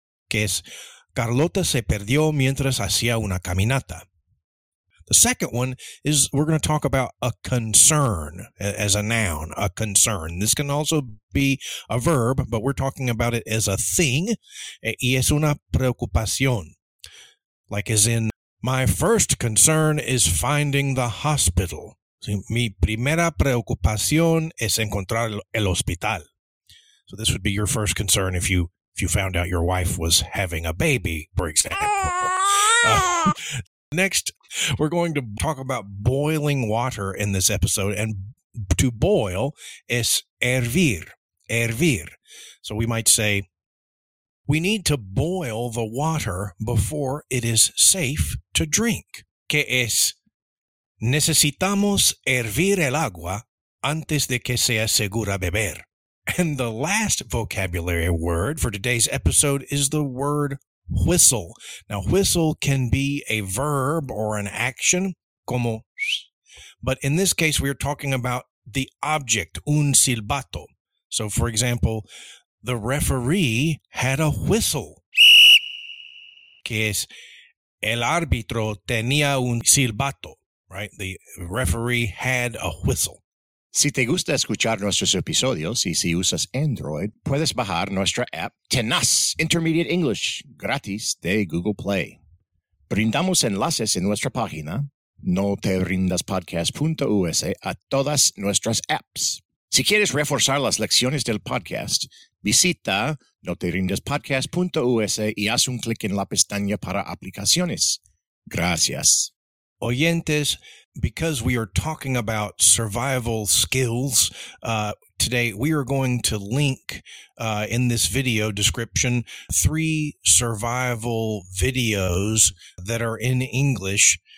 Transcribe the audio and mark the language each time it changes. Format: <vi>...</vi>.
<es>Que es, Carlota se perdió mientras hacía una caminata.</es> <en>The second one is, we're going to talk about a concern as a noun, a concern. This can also be a verb, but we're talking about it as a thing.</en> <es>Y es una preocupación.</es> <en>Like as in, my first concern is finding the hospital.</en> <es>So, mi primera preocupación es encontrar el hospital.</es> <en>So this would be your first concern if you found out your wife was having a baby, for example. Next, we're going to talk about boiling water in this episode. And to boil is hervir, hervir. So we might say, we need to boil the water before it is safe to drink.</en> <es>Que es, necesitamos hervir el agua antes de que sea segura beber.</es> <en>And the last vocabulary word for today's episode is the word whistle. Now, whistle can be a verb or an action, como, but in this case, we are talking about the object, un silbato. So, for example, the referee had a whistle.</en> <es>Que es, el árbitro tenía un silbato, right?</es> <en>The referee had a whistle.</en> <es>Si te gusta escuchar nuestros episodios y si usas Android, puedes bajar nuestra app Tenaz Intermediate English gratis de Google Play. Brindamos enlaces en nuestra página noterindaspodcast.us a todas nuestras apps. Si quieres reforzar las lecciones del podcast, visita noterindaspodcast.us y haz un clic en la pestaña para aplicaciones. Gracias.</es> <en>Oyentes, because we are talking about survival skills today, we are going to link in this video description three survival videos that are in English</en>